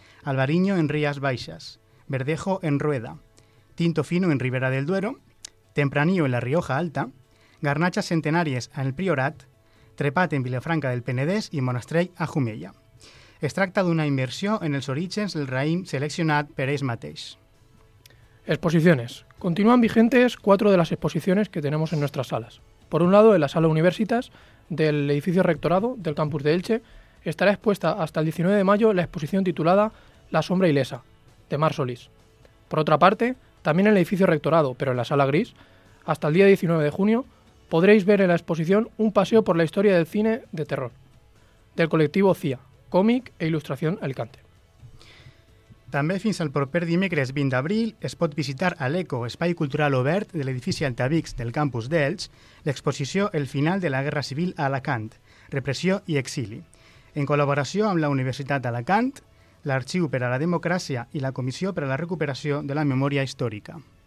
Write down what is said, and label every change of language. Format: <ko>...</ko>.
<ca>Albariño en Rías Baixas, Verdejo en Rueda, Tinto Fino en Ribera del Duero, Tempranillo en la Rioja Alta, Garnachas Centenàries en el Priorat, Trepat en Vilafranca del Penedès i Monastrell a Jumella. Es tracta d'una inversió en els orígens del raïm seleccionat per ells mateix.</ca> <es>Exposiciones. Continúan vigentes 4 de las exposiciones que tenemos en nuestras salas. Por un lado, en la sala Universitas del edificio rectorado del campus de Elche, estará expuesta hasta el 19 de mayo la exposición titulada La sombra ilesa, de Mar Solís. Por otra parte, también en el edificio rectorado, pero en la sala gris, hasta el día 19 de junio, podréis ver en la exposición un paseo por la historia del cine de terror, del colectivo CIA, còmic e il·lustració Alicante.</es> <ca>També fins al proper dimecres 20 d'abril es pot visitar a l'ECO, Espai Cultural Obert de l'edifici Altavix del campus d'Elx, l'exposició El final de la Guerra Civil a Alacant, repressió i exili. En col·laboració amb la Universitat d'Alacant, l'Arxiu per a la Democràcia i la Comissió per a la Recuperació de la Memòria Històrica.</ca>